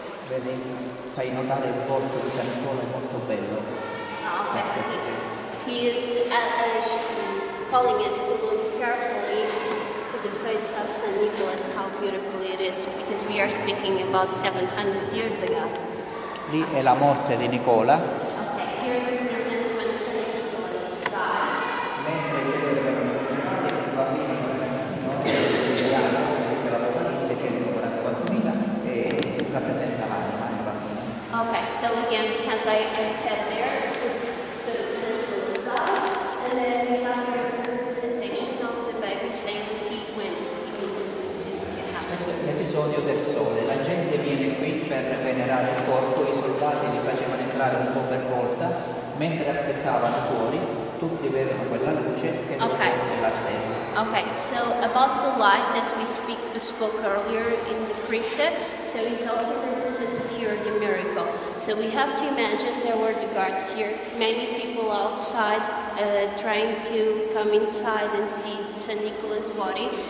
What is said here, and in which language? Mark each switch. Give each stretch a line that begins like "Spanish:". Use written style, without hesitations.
Italian: Vedi, fai notare il volto di San Nicola, è molto bello.
English: Okay, he is calling us to look carefully to the face of San Nicolas, how beautiful it is, because we are speaking about 700 years ago.
Italian: Lì è la morte di Nicola.
English: Okay, here we represent when San Nicolas dies. Okay, so again, as I said there, so San Nicolas dies, and then we have here the representation of the baby saying he went immediately to heaven.
Italian: L'episodio del sole, la gente viene qui per venerare il corpo. Li facevano entrare un po' per volta, mentre aspettavano fuori, tutti vedono quella luce che non
English: okay.
Italian: La stella.
English: Okay, so about the light that we spoke earlier in the crypt, so it's also represented here the miracle. So we have to imagine there were the guards here, many people outside trying to come inside and see St. Nicholas' body.